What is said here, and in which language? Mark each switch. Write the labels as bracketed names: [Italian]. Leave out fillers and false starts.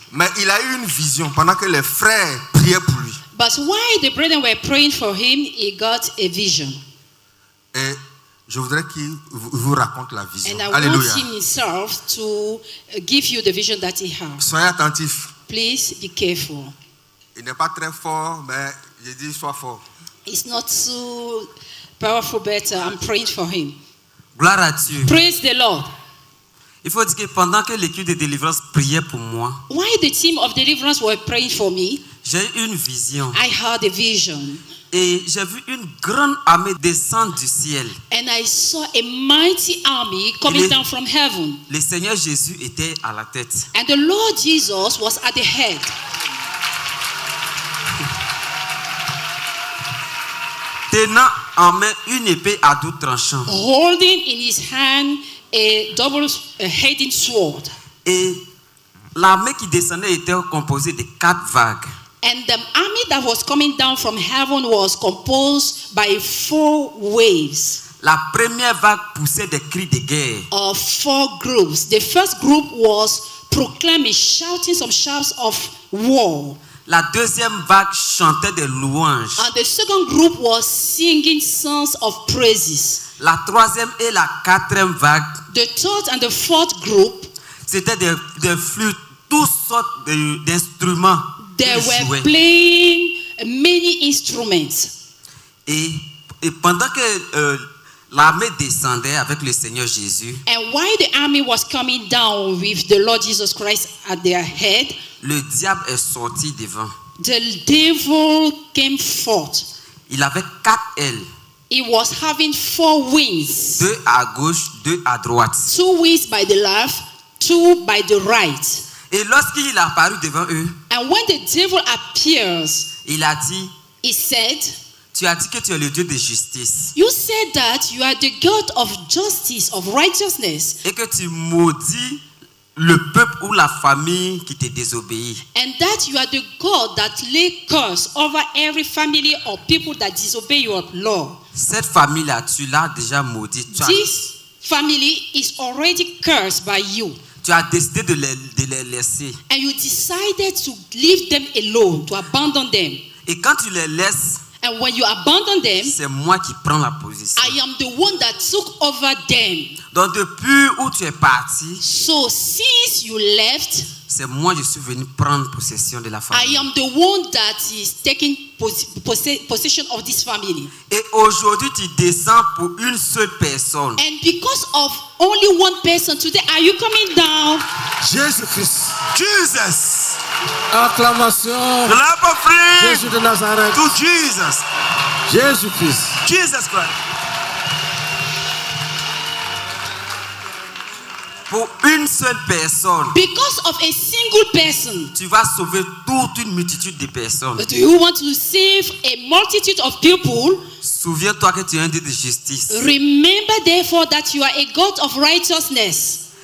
[French] Mais il a eu une vision pendant que les frères priaient pour lui. [English] But while the brethren were praying for him, he got a vision. [French] Et je voudrais qu'il vous raconte la vision. [English] And [French] Alléluia. [English] I want him himself to give you the vision that he had. [French] Soyez attentif. [English] Please be careful. [French] Il n'est pas très fort, mais je dis sois fort. [English] It's not so powerful, but I'm praying for him. [French] Gloire à Dieu. [English] Praise the Lord. [French] Il faut dire que pendant que l'équipe de délivrance priait pour moi, [English] why the team of deliverance were praying for me, [French] j'ai eu une vision. [English] I had a vision. [French] Et j'ai vu une grande armée descendre du ciel. [English] And I saw a mighty army coming down from heaven. [French] Le Seigneur Jésus était à la tête. [English] And the Lord Jesus was at the head. [French] Tenant en main une épée à deux tranchants. [English] Holding in his hand a double-headed sword. [French] Et l'armée qui descendait était composée de quatre vagues. [English] And the army that was coming down from heaven was composed by 4 waves. [French] La première vague poussait des cris de guerre. [English] Of 4 groups. The first group was proclaiming, shouting some shouts of war. [French] La deuxième vague chantait des louanges. [English] And the second group was singing songs of praises. [French] La troisième et la quatrième vague. [English] The third and the fourth group. [French] C'était des flûtes, toutes sortes d'instruments. [English] They were playing many instruments. [French] Et pendant que l'armée descendait avec le Seigneur Jésus. [English] And while the army was coming down with the Lord Jesus Christ at their head. [French] Le diable est sorti devant. [English] The devil came forth. [French] Il avait quatre ailes. [English] He was having four wings. [French] Deux à gauche, deux à droite. [English] Two wings by the left, two by the right. [French] Et lorsqu'il est apparu devant eux. [English] And when the devil appears. [French] Il a dit. [English] He said. [French] Tu as dit que tu es le Dieu de justice. [English] You said that you are the God of justice, of righteousness. [French] Et que tu maudis le peuple ou la famille qui te désobéit. [English] And that you are the God that lays curse over every family or people that disobey your law. [French] Cette famille-là, tu l'as déjà maudite. [English] This family is already cursed by you. [French] Tu as décidé de les laisser. [English] And you decided to leave them alone, to abandon them. [French] Et quand tu les laisses. [English] And when you abandon them, [French] c'est moi qui prends la position. [English] I am the one that took over them. [French] Donc depuis où tu es parti, [English] so since you left, [French] c'est moi je suis venu prendre possession de la famille. [English] I am the one that is taking possession of this family. [French] Et aujourd'hui tu descends pour une seule personne. [English] And because of only one person today, are you coming down? Jesus Christ. [French] Acclamation. [English] Clap of praise. [French] Jésus de Nazareth. [English] To Jesus. [French] Jésus Christ. [English] Jesus Christ. [French] Pour une seule personne. [English] Because of a single person. [French] Tu vas sauver toute une multitude de personnes. [English] But do you want to save a multitude of people? [French] Souviens-toi que tu es un Dieu de justice. [English] Remember therefore that you are a God of righteousness.